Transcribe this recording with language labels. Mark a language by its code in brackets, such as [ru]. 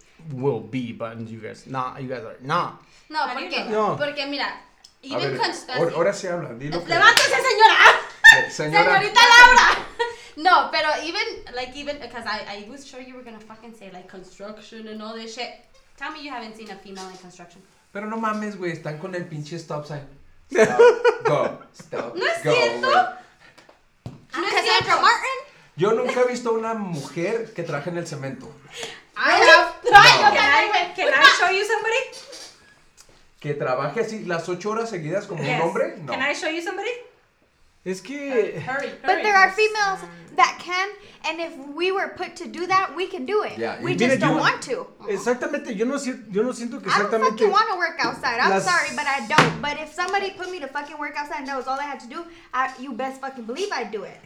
[en] We'll be, but you guys, you guys are not. [es] No, porque mira, [en] even constantly. [es] Ahora sí habla, dilo. Levántese, señora. Señorita Laura. No, pero [en] even because I was sure you were gonna fucking say like construction and all this shit. Tell me you haven't seen a female in construction. [es] Pero no mames, güey, están con el pinche stop sign. No es cierto. ¿No es cierto, Martin? Yo nunca he visto una mujer que trabaje en el cemento. [en] Can I show you somebody? [es] Que trabaje así las 8 horas seguidas como un hombre. No. [en] Can I show you somebody? [es] Es que... [en] Hurry. But there are females that can, and if we were put to do that, we can do it. Yeah. We just don't want to. [es] Exactamente, yo no siento que exactamente... [en] I don't fucking want to work outside. Sorry, but I don't. But if somebody put me to fucking work outside and that was all I had to do, you best fucking believe I'd do it.